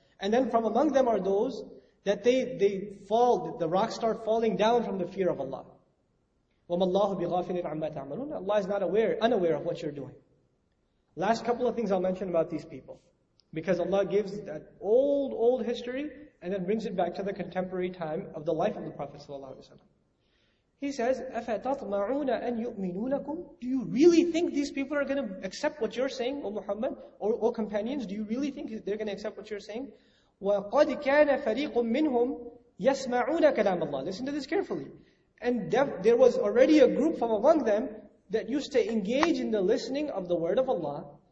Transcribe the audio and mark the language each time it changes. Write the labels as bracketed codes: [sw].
[en] And then from among them are those that they fall, the rocks start falling down from the fear of Allah. [ar] وَمَا اللَّهُ بِغَافِلٍ عَمَّا تَعْمَلُونَ. [en] Allah is not aware, unaware of what you're doing. Last couple of things I'll mention about these people. Because Allah gives that old, old history and then brings it back to the contemporary time of the life of the Prophet ﷺ. He says, [ar] أَفَتَطْمَعُونَ أَن يُؤْمِنُوا لَكُمْ. [en] Do you really think these people are going to accept what you're saying, O Muhammad, or O companions? Do you really think they're going to accept what you're saying? [ar] وَقَدْ كَانَ فَرِيقٌ مِّنْهُمْ يَسْمَعُونَ كَلَامَ اللَّهِ. [en] Listen to this carefully. And there was already a group from among them that used to engage in the listening of the word of Allah.